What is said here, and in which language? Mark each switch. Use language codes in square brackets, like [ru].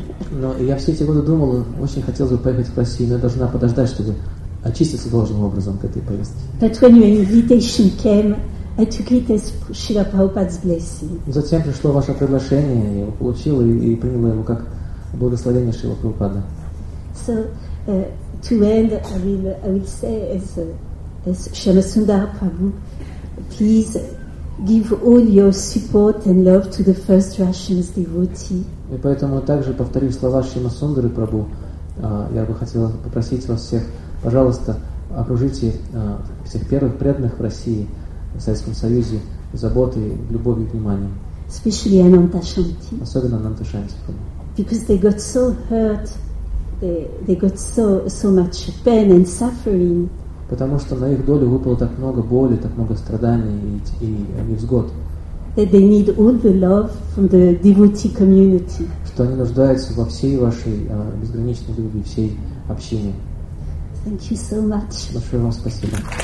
[ru] Но я все эти годы думала, очень хотелось бы поехать в Россию, но я должна подождать, чтобы очиститься должным образом к этой поездке. [en] But when your invitation came, I took it as Srila Prabhupada's blessing. [ru] Затем пришло ваше приглашение, я его получила и приняла его как благословение Шрилы Прабхупады. [en] So, to end, I will say as Shyama Sundara Prabhu, please give all your support and love to the first Russian devotee. [ru] И поэтому также повторив слова Шрилы Сундары Прабху, я бы хотела попросить вас всех, пожалуйста, окружите всех первых преданных в России, в Советском Союзе, заботой, любовью и вниманием. [en] Especially Ananta Shanti. [ru] Особенно Ananta Shanti. [en] Because they got so hurt, they got so much pain and suffering. [ru] Потому что на их долю выпало так много боли, так много страданий и невзгод. [en] That they need all the love from the devotee community. [ru] Что они нуждаются во всей вашей безграничной любви, всей общине. [en] Thank you so much. [ru] Большое вам спасибо.